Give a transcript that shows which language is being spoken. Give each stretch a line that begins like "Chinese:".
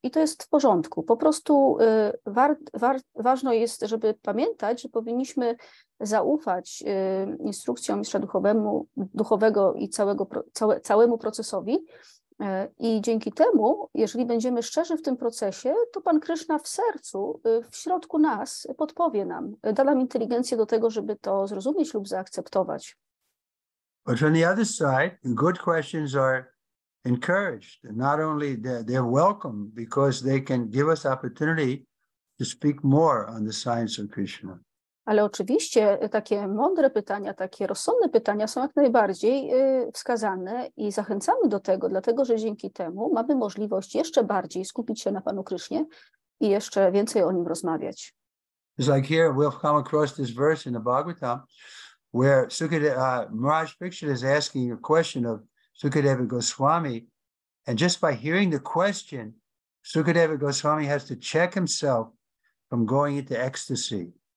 Polish: I to jest w porządku. Po prostu ważne jest, żeby pamiętać, że powinniśmy zaufać instrukcjom mistrza duchowego i całemu procesowi I dzięki temu, jeżeli będziemy szczerzy w tym procesie, to Pan Kryszna w sercu, w środku nas podpowie nam, da nam inteligencję do tego, żeby to zrozumieć lub zaakceptować.
English: But on the other side, good questions are encouraged. Not only they're welcome because they can give us opportunity to speak more on the science of Krishna.
Polish: Ale oczywiście takie mądre pytania, takie rozsądne pytania są jak najbardziej wskazane i zachęcamy do tego, dlatego że dzięki temu mamy możliwość jeszcze bardziej skupić się na Panu Krysznie i jeszcze więcej o Nim rozmawiać.
English: It's like here we've come across this verse in the Bhagavatam where Maharaj Pikshit is asking a question of Sukadeva Goswami, and just by hearing the question, Sukadeva Goswami has to check himself from going into ecstasy.